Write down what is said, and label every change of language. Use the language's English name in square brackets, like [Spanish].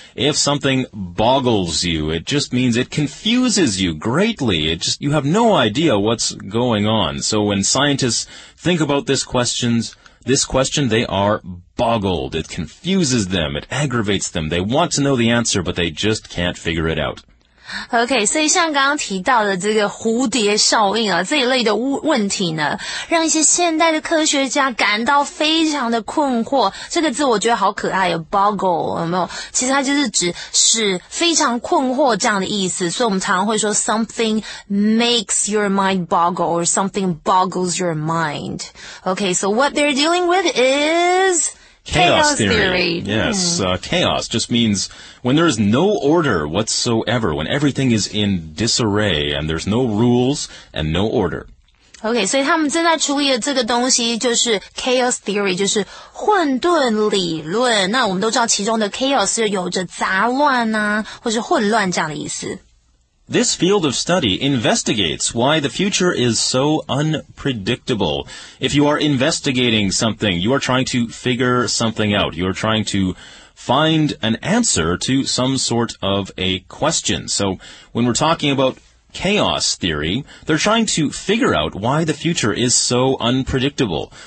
[English] If something boggles you, it just means it confuses you greatly. You have no idea what's going on. So when scientists think about this question, they are boggled. It confuses them. It aggravates them. They want to know the answer, but they just can't figure it out. [Chinese] OK, 所以像刚刚提到的这个蝴蝶效应啊，这一类的问题呢，让一些现代的科学家感到非常的困惑。这个字我觉得好可爱哦 ,boggle, 有没有？其实它就是指使非常困惑这样的意思。所以我们常常会说 [English] something makes your mind boggle, or something boggles your mind. OK, so what they're dealing with is... Chaos theory. Yes, chaos just means when there is no order whatsoever, when everything is in disarray and there's no rules and no order. [Chinese] OK, 所以他们正在处理的这个东西就是 chaos theory, 就是混沌理论。那我们都知道其中的 chaos 有着杂乱啊或是混乱这样的意思。 [English] This field of study investigates why the future is so unpredictable. If you are investigating something, you are trying to figure something out. You are trying to find an answer to some sort of a question. So when we're talking about chaos theory, they're trying to figure out why the future is so unpredictable.